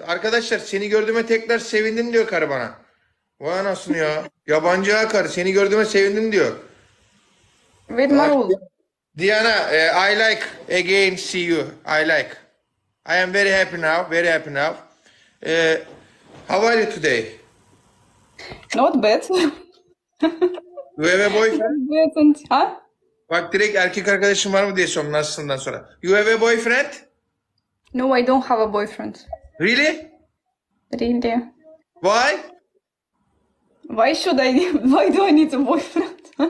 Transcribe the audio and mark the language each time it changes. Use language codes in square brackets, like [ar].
[tr] Arkadaşlar seni gördüğüme tekrar sevindim diyor karı bana. Vay anasın ya. Yabancı ya karı. Seni gördüğüme sevindim diyor. [en] With my rule. Diana, I like again see you. I like. I am very happy now. Very happy now. How are you today? Not bad. You have a boyfriend? Not bad, huh? [tr] Bak direkt erkek arkadaşın var mı diye sordum nasılsından sonra. [en] You have a boyfriend? No, I don't have a boyfriend. Really? Really. Why? Why should I? Why do I need a boyfriend?